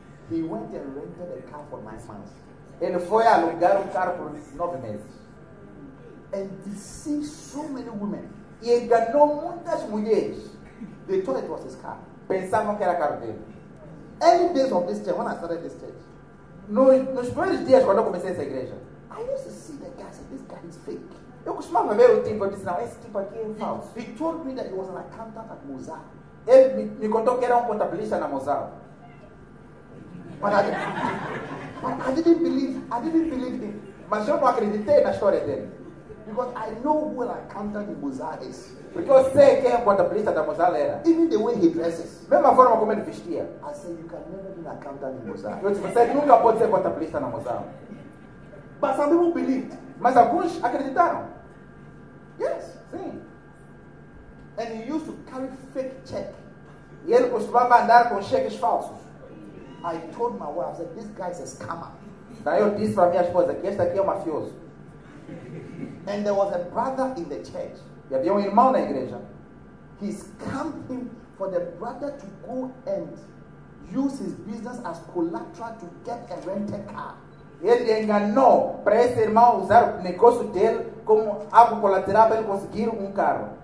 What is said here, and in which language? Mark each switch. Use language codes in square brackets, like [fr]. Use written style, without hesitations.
[en] He went and rented a car for 9 months. [pt] Ele foi alugar carro por 9 meses. [en] And deceived so many women. [pt] E enganou muitas mulheres. [en] They thought it was his car. [pt] Pensavam que era carro dele. [en] Early days of this church, when I started this church, [pt] nos primeiros dias quando eu comecei essa igreja, [en] I used to see the guy, said, this guy is fake. [pt] Eu costumava ver o tipo, eu disse, não, esse tipo aqui é falso. [en] He told me that he was an accountant at Mozart. [pt] Ele me contou que era contabilista na Mozart. [en] But I didn't believe him. [pt] Mas eu não acreditei na história dele. [en] Because I know who an accountant in Mozart is. [pt] Porque eu sei quem é contabilista da Mozart era. [en] Even the way he dresses. [pt] Mesma forma como ele vestia. [en] I said, you can never be an accountant in Mozart. [pt] Eu disse, você nunca pode ser contabilista na Mozart. [en] But some people believed. [pt] Mas alguns acreditaram. [en] Yes. [pt] Sim. [en] And he used to carry fake checks. [pt] E ele costumava andar com cheques falsos. [en] I told my wife, I said, this guy is a scammer. [pt] Daí eu disse para minha esposa que este aqui é um mafioso. [en] And there was a brother in the church. [pt] E havia irmão na igreja. [en] He scammed him for the brother to go and use his business as collateral to get a rented car. [pt] Ele enganou para esse irmão usar o negócio dele como algo colateral para ele conseguir carro.